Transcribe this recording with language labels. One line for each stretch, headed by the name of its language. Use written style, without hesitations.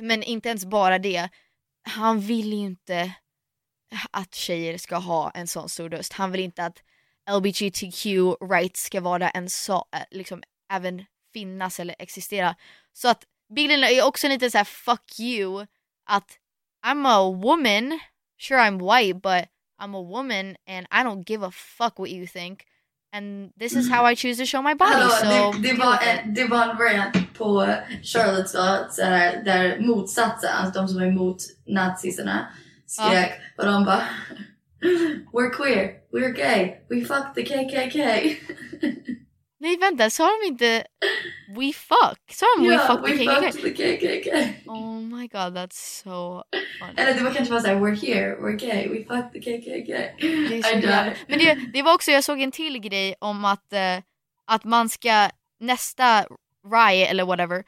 Swedish: Men inte ens bara det. Han vill ju inte att tjejer ska ha en sån stor röst. Han vill inte att LGBTQ rights ska vara en liksom även finnas eller existera. Så att bilden är också lite så här,
English: fuck you. Att I'm a woman, sure I'm white, but I'm a woman and I don't give a fuck what you think. And this is how I choose to show my body.
Swedish: Hallå,
English: so
Swedish: det var en rant på Charlottesville där motsatsen, alltså de som är emot nazisterna, skrek.
English: Okay.
Swedish: Och de bara,
English: we're queer, we're gay, we fuck the KKK.
Swedish: Nej, vänta, sa de inte
English: we fuck?
Swedish: Sa de,
English: yeah, we fuck the KKK. Oh my god, that's so funny.
Swedish: Eller det var kanske bara såhär,
English: we're here, we're gay, we fuck the KKK.
Swedish: Men det var också, jag såg en till grej om att att man ska nästa riot eller whatever,